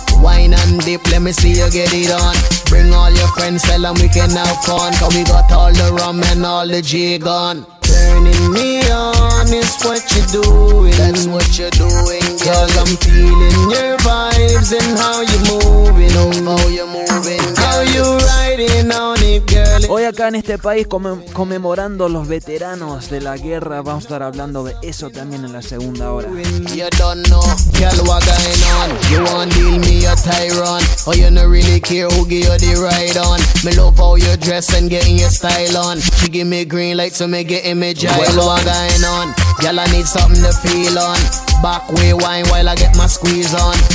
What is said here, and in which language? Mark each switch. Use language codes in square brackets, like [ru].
[en] Wine and dip, let me see you get it on. Bring all your friends, tell them we can have fun. Cause we got all the rum and all the J-gun. Turning me on is what you're doing. That's what you're doing, girl. Cause I'm feeling your vibes and how you're moving. Oh, how you're moving, girl. How you're riding on it, girl. [es] Hoy acá en este país conmemorando los veteranos de la guerra. Vamos a estar hablando de eso también en la segunda hora. [en] You don't know, girl, what going on. You want deal me a tyrant. Oh, you don't really care who give you the ride on. Me love how you dress and getting your style on. She give me green light so me get in. Well, what going on? Girl, I need something to feel on. Back way wine while I get my squeeze on.